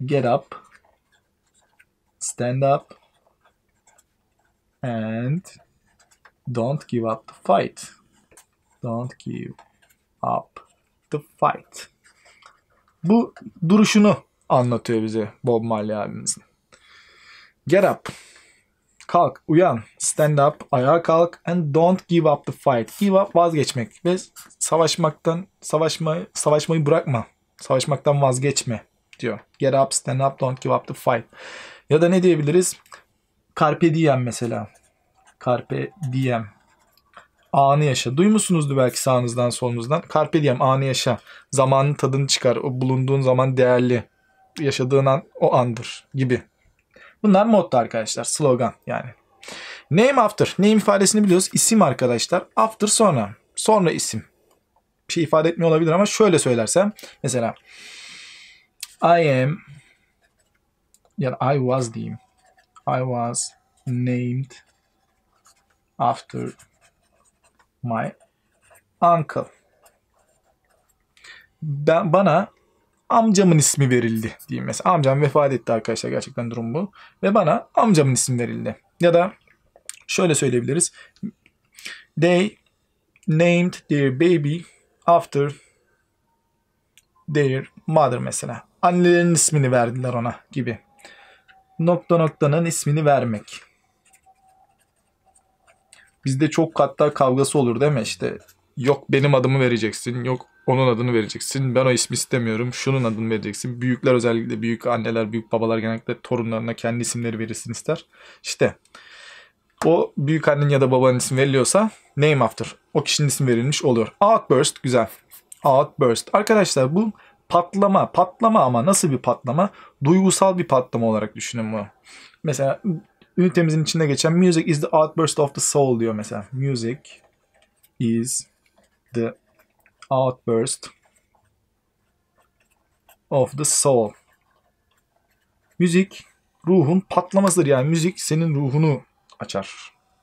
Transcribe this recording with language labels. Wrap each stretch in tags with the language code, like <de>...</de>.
<en>Get up, stand up and don't give up the fight. Don't give up the fight.</en> <tr>Bu duruşunu anlatıyor bize Bob Marley abimiz.</tr> <en>Get up.</en> <tr>Kalk, uyan.</tr> <en>Stand up.</en> <tr>Ayağa kalk.</tr> <en>And don't give up the fight.</en> <tr>Give up, vazgeçmek. Ve savaşmayı bırakma. Savaşmaktan vazgeçme diyor.</tr> <en>Get up, stand up, don't give up the fight.</en> <tr>Ya da ne diyebiliriz? Carpe diem mesela. Carpe diem. Anı yaşa. Duymuşsunuzdur belki sağınızdan solunuzdan. Carpe diem, anı yaşa. Zamanın tadını çıkar. O bulunduğun zaman değerli. Yaşadığın an o andır gibi. Bunlar motto arkadaşlar. Slogan yani. Name after. Name ifadesini biliyoruz. İsim arkadaşlar. After sonra. Sonra isim. Bir şey ifade etmiyor olabilir ama şöyle söylersem. Mesela I am ya da I was diyeyim.</tr> <en>I was named after my uncle.</en> <tr>Bana amcamın ismi verildi diyeyim mesela. Amcam vefat etti arkadaşlar. Gerçekten durum bu. Ve bana amcamın ismi verildi. Ya da şöyle söyleyebiliriz.</tr> <en>They named their baby after their mother mesela.</en> <tr>Annelerinin ismini verdiler ona gibi. Nokta noktanın ismini vermek. Bizde çok hatta kavgası olur değil mi? İşte yok benim adımı vereceksin, yok onun adını vereceksin, ben o ismi istemiyorum, şunun adını vereceksin. Büyükler özellikle, büyük anneler, büyük babalar genellikle torunlarına kendi isimleri verirsin ister. İşte o büyük annen ya da babanın ismi veriliyorsa name after, o kişinin ismi verilmiş oluyor. Outburst, güzel. Outburst. Arkadaşlar bu patlama, patlama ama nasıl bir patlama? Duygusal bir patlama olarak düşünün bunu. Mesela ünitemizin içinde geçen</tr> <en>music is the outburst of the soul</en> <tr>diyor mesela.</tr> <en>Music is the outburst of the soul.</en> <tr>Müzik ruhun patlamasıdır. Yani müzik senin ruhunu açar.</tr>